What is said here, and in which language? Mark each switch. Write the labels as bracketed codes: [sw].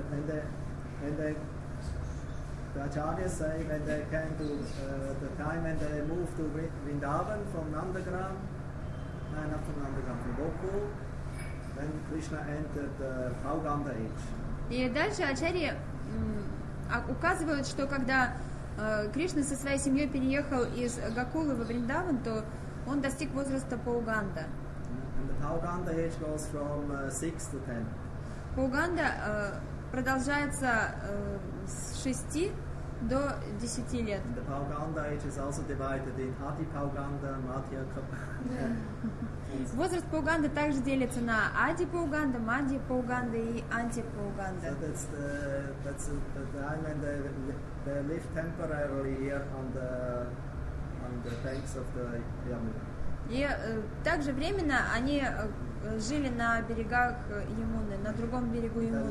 [en] The acharyas say when they came to the time when they moved to Vrindavan from Nandagram, not from Nandagram, from Gokul, when Krishna entered the Pauganda age. [ru] И дальше ачарьи указывают, что когда Кришна со своей семьей переехал из Гокулы во Вриндаван, то он достиг возраста Пауганда. [en] And the Pauganda age goes from 6 to 10. [ru] Пауганда продолжается с 6 до 10 лет. [en] The Pauganda age is also divided in Adi Pauganda, Madhya Pauganda. [ru] Возраст Пауганда также делится на Ади Пауганда, Мадья Пауганда и Анти Пауганда. [en] So that's the time when they live temporarily here on the banks of the Yamuna. [ru] И также временно они жили на берегах Ямуны, на другом берегу